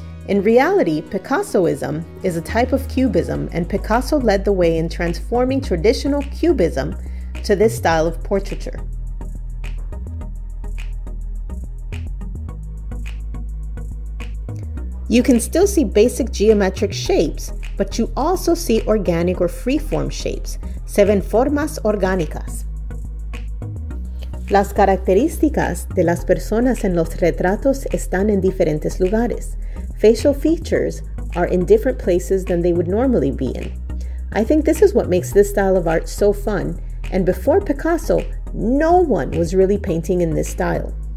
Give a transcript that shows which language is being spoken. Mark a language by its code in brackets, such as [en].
[en] In reality, Picassoism is a type of cubism, and Picasso led the way in transforming traditional cubism to this style of portraiture. You can still see basic geometric shapes, but you also see organic or free-form shapes. [es] Se ven formas orgánicas. Las características de las personas en los retratos están en diferentes lugares. [en] Facial features are in different places than they would normally be in. I think this is what makes this style of art so fun, and before Picasso, no one was really painting in this style.